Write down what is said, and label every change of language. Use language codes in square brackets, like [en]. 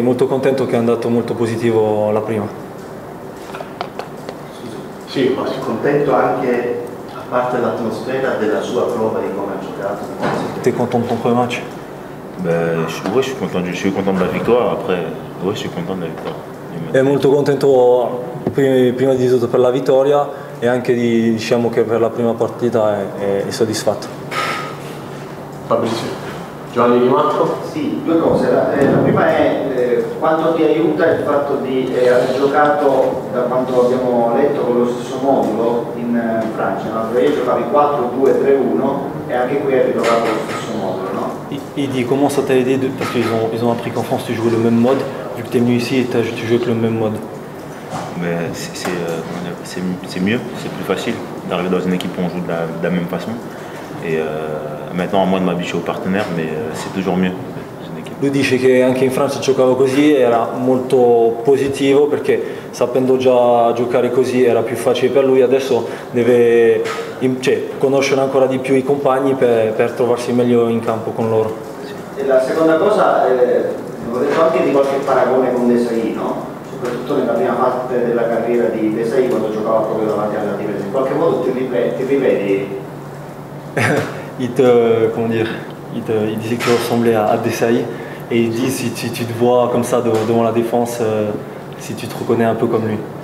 [it] molto contento che è andato molto positivo la prima. Sì, ma sono contento anche, a parte l'atmosfera, della sua prova di come ha giocato. Tu sei contento del tuo primo match? [fr] Beh, ouais, je suis content de la victoire. Après, ouais, je suis content de la victoire. [it] È molto contento prima di tutto per la vittoria e anche di, diciamo che per la prima partita è soddisfatto. Fabrizio. Giovanni Di Matto? Sì, due cose. La prima è quanto ti aiuta il fatto di aver giocato, da quanto abbiamo letto, con lo stesso modulo in Francia, no? Perché io giocavi 4-2-3-1 e anche qui hai ritrovato lo stesso modulo. [fr] Il dit comment ça t'a aidé de, parce qu'ils ont appris qu'en France tu jouais le même mode, vu que t'es venu ici et tu joues avec le même mode. Mais c'est mieux, c'est plus facile d'arriver dans une équipe où on joue de la même façon. Et maintenant à moi de m'habituer aux partenaires, mais c'est toujours mieux. [it] Lui dice che anche in Francia giocavo così era molto positivo perché sapendo già giocare così era più facile per lui, adesso deve conoscere ancora di più i compagni per trovarsi meglio in campo con loro. E la seconda cosa, ho detto anche di qualche paragone con Desailly, no? Soprattutto nella prima parte della carriera di Desailly quando giocava proprio davanti alla difesa. In qualche modo ti rivedi? [fr] Il disait que tu ressemblais à Desailly et il dit si tu te vois comme ça devant la défense, si tu te reconnais un peu comme lui.